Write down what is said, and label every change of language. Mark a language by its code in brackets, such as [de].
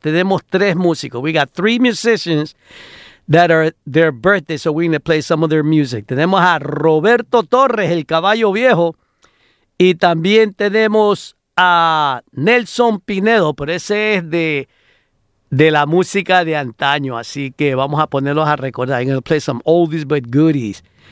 [en] We got three musicians that are their birthday, so we're going to play some of their music. [es] Tenemos a Roberto Torres, el caballo viejo, y también tenemos a Nelson Pinedo, pero ese es de la música de antaño, así que vamos a ponerlos a recordar. [en] I'm going to play some oldies but goodies.